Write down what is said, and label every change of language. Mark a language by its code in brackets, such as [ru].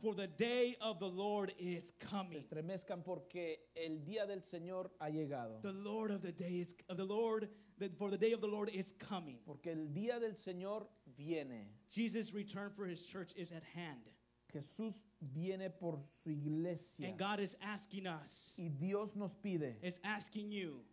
[en] For the day of the Lord is coming. [es] Se estremezcan porque el día del Señor ha llegado. [en] The Lord of the day is of the Lord. For the day of the Lord is coming. [es] Porque el día del Señor viene. [en] Jesus' return for His church is at hand. [es] Jesús viene por su iglesia. [en] And God is asking us. [es] Y Dios nos pide. [en] Is asking you.